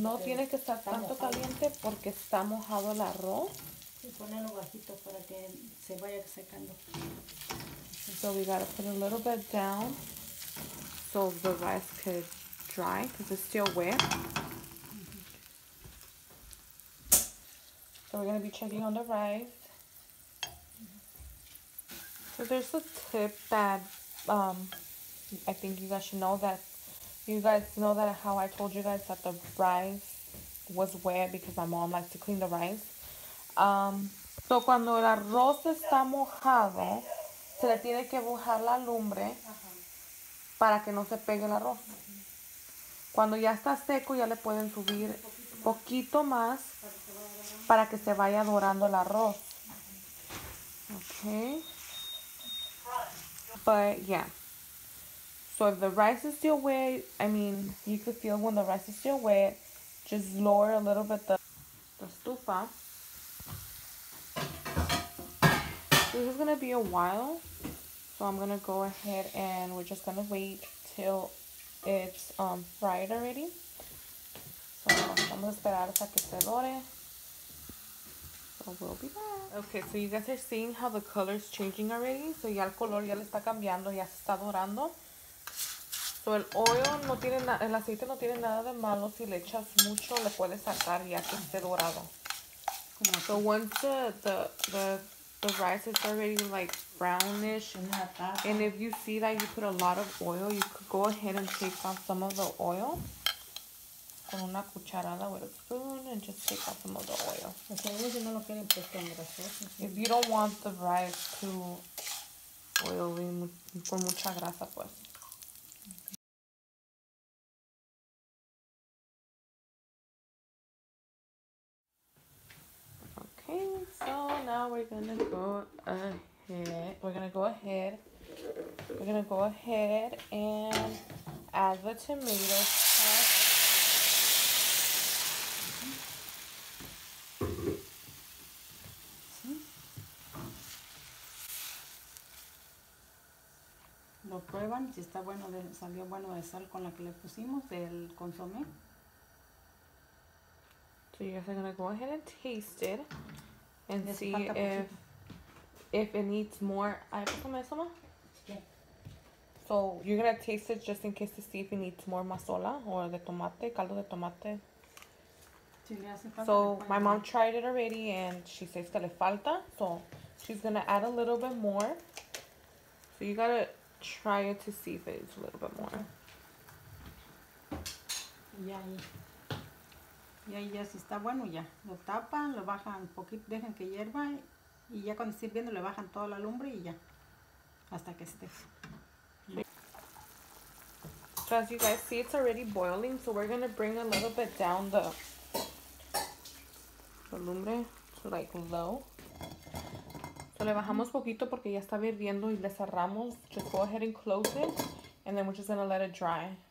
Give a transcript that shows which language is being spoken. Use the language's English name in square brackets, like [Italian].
[Spanish] No tiene que estar tanto caliente porque está mojado el arroz. Y ponerlo bajito para que se vaya secando. [English] So we gotta put a little bit down so the rice could dry because it's still wet. Mm-hmm. So we're gonna be checking on the rice. So there's a tip that I think you guys should know, that you guys know that how I told you guys that the rice was wet because my mom likes to clean the rice. [Spanish] So cuando el arroz está mojado, se le tiene que bajar la lumbre para que no se pegue el arroz. Cuando ya está seco, ya le pueden subir poquito más para que se vaya dorando el arroz. [English] Okay. But yeah, so if the rice is still wet, I mean, you could feel when the rice is still wet, just lower a little bit the estufa. This is gonna be a while, so I'm gonna go ahead and we're just gonna wait till it's fried already. [Spanish] So vamos a esperar hasta que se dore. [English] We'll be back. Okay, so you guys are seeing how the color is changing already. [Spanish] So ya el color ya le está cambiando, ya se está dorando. So el oil no tiene nada, el aceite no tiene nada de malo. Si le echas mucho, le puedes sacar ya que esté dorado. [English] So once the rice is already like brownish, and if you see that you put a lot of oil, you could go ahead and take off some of the oil. [Spanish] con una cucharada [English] with a spoon and just take out some of the oil. If you don't want the rice too oily, [Spanish] con mucha grasa, pues. [English] Okay, so now we're gonna go ahead. We're gonna go ahead and add the tomato sauce. [Spanish] Lo prueban si está bueno, salió bueno de sal con la que le pusimos del consomé. [English] So you guys are gonna go ahead and taste it and see if it needs more. [Spanish] ¿Hay poco más o más? [English] So you're gonna taste it just in case to see if it needs more masola or [Spanish] de tomate, caldo de tomate. [English] So my mom tried it already and she says [Spanish] que le falta. [English] So she's gonna add a little bit more. So you gotta try it to see if it's a little bit more. [Spanish] Y ahí ya si está bueno ya. Lo tapan, lo bajan poquito, dejan que hierva y ya cuando esté hirviendo le bajan toda la lumbre y ya. Hasta que esté. [English] So as you guys see, it's already boiling, so we're gonna bring a little bit down the lumbre to like low. [Spanish] So le bajamos poquito porque ya está hirviendo y le cerramos. [English] Just go ahead and close it, and then we're just gonna let it dry.